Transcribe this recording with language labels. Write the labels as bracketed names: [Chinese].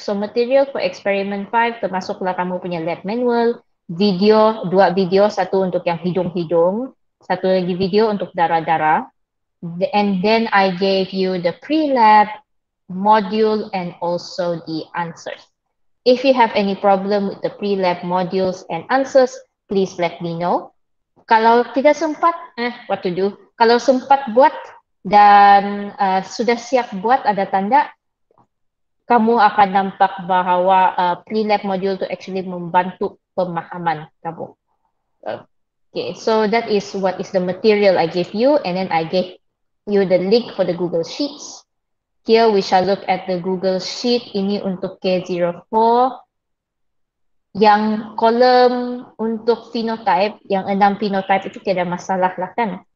[English] So material for experiment 5 [Malay] termasuklah kamu punya lab manual, video, dua video, satu untuk yang hidung-hidung, satu lagi video untuk darah-darah. [English] And then I gave you the pre-lab module and also the answers. If you have any problem with the pre-lab modules and answers, please let me know. [Malay] Kalau tidak sempat, [English] what to do? [Malay] Kalau sempat buat dan sudah siap buat, ada tanda, kamu akan nampak bahwa pre-lab module itu actually membantu pemahaman kamu. [English] Okay, so that is what is the material I gave you, and then I gave you the link for the Google Sheets. Here we shall look at the Google Sheet. [Malay] Ini untuk K04. Yang kolom untuk phenotype, yang 6 phenotype itu tidak masalah lah kan?